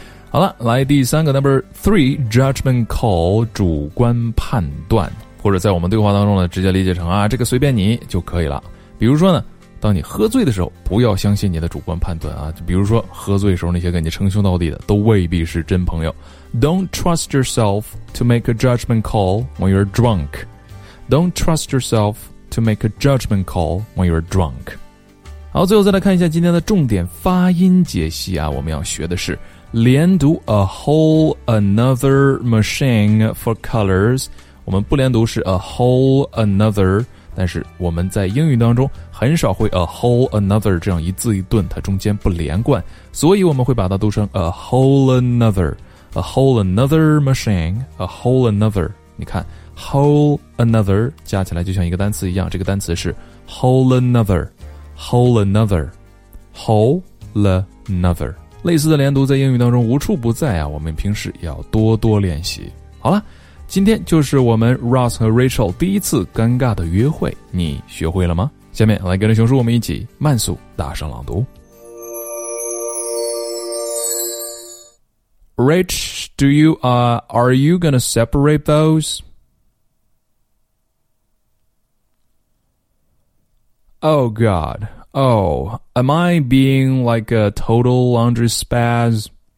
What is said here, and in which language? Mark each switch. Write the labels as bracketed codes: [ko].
[zh] 好了，来第三个 [en] Number three, judgment call, [zh] 主观判断，或者在我们对话当中呢直接理解成啊这个随便你就可以了。比如说呢当你喝醉的时候不要相信你的主观判断啊，就比如说喝醉的时候那些跟你称兄道弟的都未必是真朋友。 [en] Don't trust yourself to make a judgment call when you're drunk. Don't trust yourself to make a judgment call when you're drunk. [zh] 好，最后再来看一下今天的重点发音解析啊，我们要学的是连读 [en] a whole another machine for colors. [zh] 我们不连读是 [en] a whole another, [zh] 但是我们在英语当中很少会 [en] a whole another 这样一字一顿它中间不连贯，所以我们会把它读成 a whole another, [zh] a [en] whole another [zh] machine, a [en] whole another, 你看 whole another [zh] 加起来就像一个单词一样，这个单词是 whole another, whole another, whole another, 类似的连读在英语当中无处不在啊，我们平时要多多练习。好了，今天就是我们 Ross 和 Rachel 第一次尴尬的约会，你学会了吗？下面来跟着熊叔我们一起慢速大声朗读。 [en] Rach, do you, are you gonna separate those? Oh God, oh, am I being like a total laundry spaz?